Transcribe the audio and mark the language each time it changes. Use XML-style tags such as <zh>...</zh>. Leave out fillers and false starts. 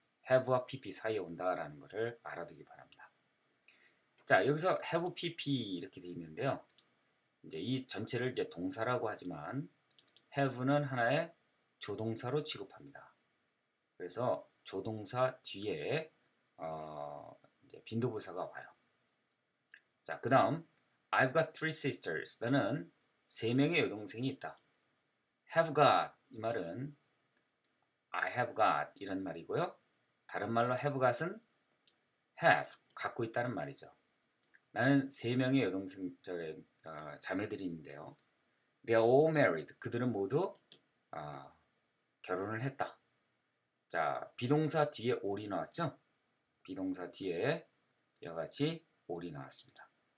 <ko>have와 PP 사이에 온다라는 것을 알아두기 바랍니다. 자, 여기서 have PP 이렇게 돼 있는데요. 이제 이 전체를 이제 동사라고 하지만 have는 하나의 조동사로 취급합니다. 그래서 조동사 뒤에 이제 빈도부사가 와요. 자, 그 다음</ko> <en>I've got three sisters.</en> <ko>나는 세 명의 여동생이 있다.</ko> <en>Have got</en> <ko>이 말은</ko> <en>I have got</en> <ko>이런 말이고요. 다른 말로 have got은 have 갖고 있다는 말이죠. 나는 세 명의 여동생 저의 자매들이 있는데요.</ko> <en>They are all married.</en> <ko>그들은 모두 결혼을 했다. 자, 비동사 뒤에 all이 나왔죠? 비동사 뒤에 이와 같이 all이 나왔습니다.</ko>